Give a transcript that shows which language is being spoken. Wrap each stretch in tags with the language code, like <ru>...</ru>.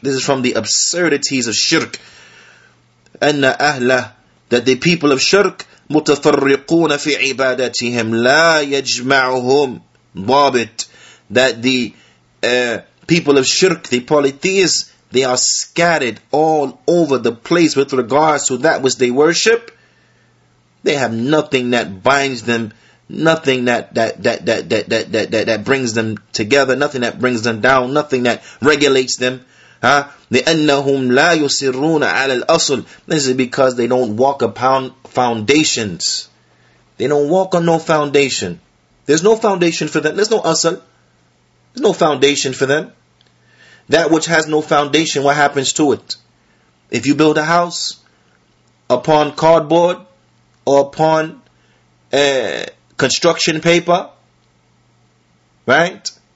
<en>This is from the absurdities of shirk. أن أهله, that the people of shirk, متفرقون في عبادتهم لا يجمعهم ضابط, that the people of shirk, the polytheists, they are scattered all over the place with regards to that which they worship. They have nothing that binds them, nothing that brings them together, nothing that brings them down, nothing that regulates them.</en> <ar>لأنهم لا يصرون على الأصل.</ar> <en>This is because they don't walk upon foundations. They don't walk on no foundation. There's no foundation for them. There's no asal. There's no foundation for them. That which has no foundation, what happens to it? If you build a house upon cardboard or upon construction paper, right?</en>